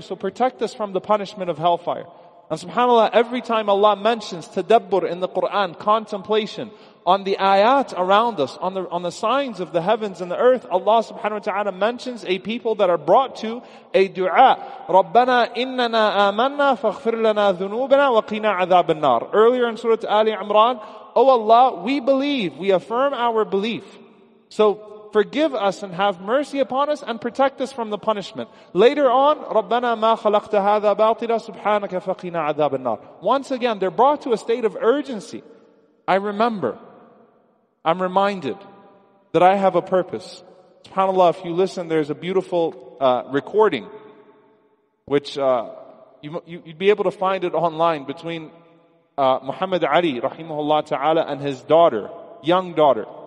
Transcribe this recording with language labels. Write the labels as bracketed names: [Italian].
[English] So protect us from the punishment of hellfire. And subhanAllah, every time Allah mentions tadabbur in the Qur'an, contemplation on the ayat around us, on the signs of the heavens and the earth, Allah subhanahu wa ta'ala mentions a people that are brought to a dua. [Arabic] رَبَّنَا إِنَّنَا آمَنَّا فَاغْفِرْ لَنَا ذُنُوبَنَا وَقِنَا عَذَابَ النَّارِ. [English] Earlier in Surah Ali Imran, Oh Allah, we believe, we affirm our belief. So forgive us and have mercy upon us and protect us from the punishment. Later on, [Arabic] رَبَّنَا مَا خَلَقْتَ هَذَا بَاطِلًا سُبْحَانَكَ فَقِنَا عَذَابَ النَّارِ. [English] Once again, they're brought to a state of urgency. I remember, I'm reminded that I have a purpose. SubhanAllah, if you listen, there's a beautiful recording, which you'd be able to find it online, between Muhammad Ali, rahimahullah ta'ala, and his daughter, young daughter.